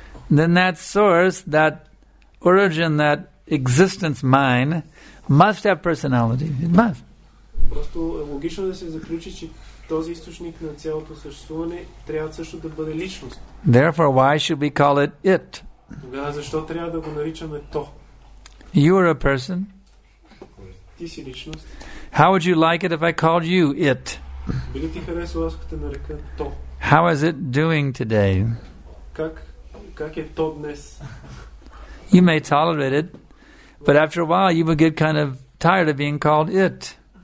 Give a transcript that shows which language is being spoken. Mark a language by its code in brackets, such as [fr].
[en] Then that source, that origin, that existence mine must have personality. It must. [bg] Просто е логично да се заключи, че този източник на цялото съществуване трябва също да бъде личност. [en] Therefore, why should we call it it? [bg] Тогава защо трябва да го наричаме то? [en] You are a person. [bg] Ти си личност. [en] How would you like it if I called you it? [bg] Би ли ти харесало, ако те нарека то? [en] How is it doing today? [bg] Как е то днес? [en] You may tolerate it. But after a while, you would get kind of tired of being called it.